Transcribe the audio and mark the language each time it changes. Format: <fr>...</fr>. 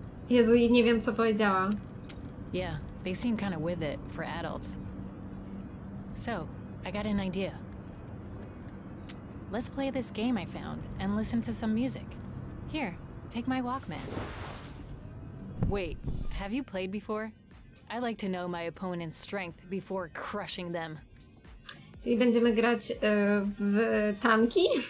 <pl>Jezu, nie wiem co powiedziała.</pl> <en>Yeah, they seem kind of with it for adults. So. I got an idea. Let's play this game I found and listen to some music. Here, take my Walkman. Wait, have you played before? I like to know my opponent's strength before crushing them.</en> <pl>Czyli będziemy grać w tanki?</pl>